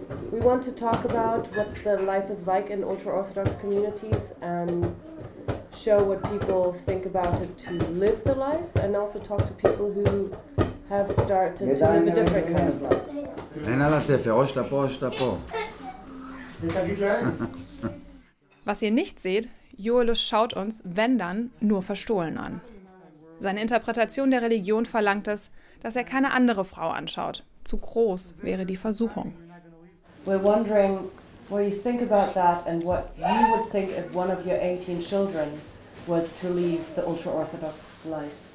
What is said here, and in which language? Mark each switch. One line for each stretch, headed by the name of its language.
English: We want to talk about what the life is like in ultra-orthodox communities and show what people think about it to live the life and also talk to people who have started to live a different kind of life.
German: Was ihr nicht seht, Joelus schaut uns, wenn dann, nur verstohlen an. Seine Interpretation der Religion verlangt es, dass er keine andere Frau anschaut. Zu groß wäre die Versuchung.
English: We're wondering what you think about that and what you would think if one of your 18 children was to leave the ultra-orthodox life.